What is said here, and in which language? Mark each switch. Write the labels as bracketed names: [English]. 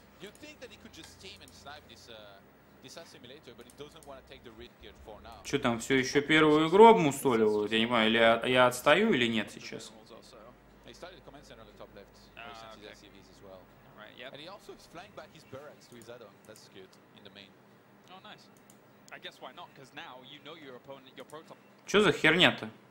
[English] You think that he could just team and snipe this this assimilator, but he doesn't want to take the risk yet for now. [Russian] Что там, все еще первую игру обмусоливаю? Я не понимаю, или я отстаю или нет сейчас? [English] He started command center on the top left. Okay. His SCVs as well. Right, yep. And he also is flying back his barracks to his add-on. That's good in the main. Oh, nice. I guess why not? Because now you know your opponent, your proton. [Russian] Что за херня-то?